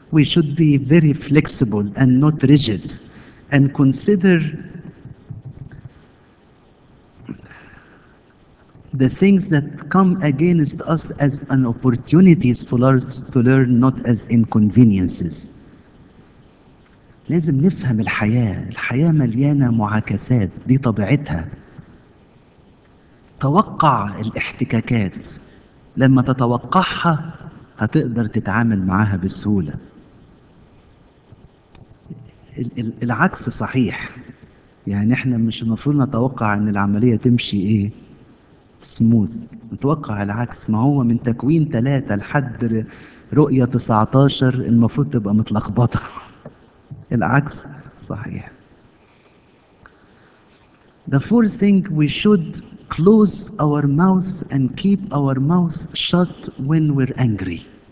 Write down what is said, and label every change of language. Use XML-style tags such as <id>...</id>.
<en>We should be very flexible and not rigid, and consider the things that come against us as an opportunities for us to learn, not as inconveniences.</en> <ar>لازم نفهم الحياة. الحياة مليانة معاكسات، دي طبيعتها. توقع الاحتكاكات، لما تتوقعها هتقدر تتعامل معها بسهولة. العكس صحيح، يعني احنا مش المفروض نتوقع ان العملية تمشي ايه سموث، نتوقع العكس. ما هو من تكوين 3 لحد رؤية 19 المفروض تبقى متلخبطة. العكس صحيح.</ar> <en>The fourth thing, we should close our mouth and keep our mouth shut when we're angry.</en>